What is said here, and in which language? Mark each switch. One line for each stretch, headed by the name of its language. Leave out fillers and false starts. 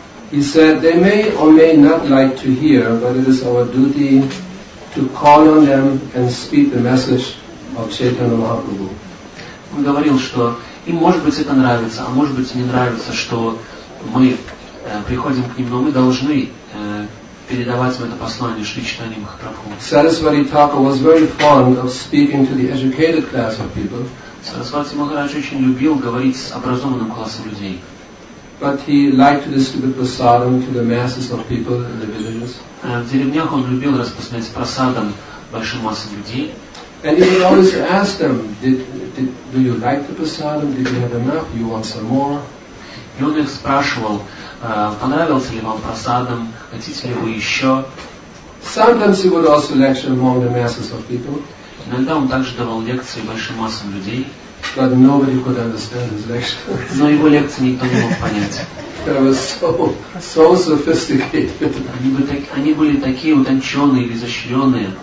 English: He said, they may or may not like to hear, but it is our duty to call on them and speak the message of Chaitanya Mahaprabhu.
Russian: Он говорил, что им может быть это нравится, а может быть не нравится, что мы приходим к ним, но мы должны передавать им это послание Шри Чайтанья Махапрабху.
English: Сарасвати Тхакур was very fond of speaking to the educated class of people.
Russian: Сарасвати Махарадж очень любил говорить с образованным классом людей.
English: But he liked to distribute prasadam to the masses of people in the villages.
Russian: В деревнях он любил распространять прасадам большим массам людей.
English: And he would always ask them, do you like the prasadam? Did you have enough? You want some more?
Russian: И он их спрашивал, понравился ли вам прасадам, хотите ли вы еще?
English: Sometimes he would also lecture among the masses of people.
Russian: Иногда он также давал лекции большим массам людей.
English: But nobody could understand his lectures.
Russian: Но его лекции никто не мог понять.
English: They were so sophisticated.
Russian: Они были такие утонченные, изощренные.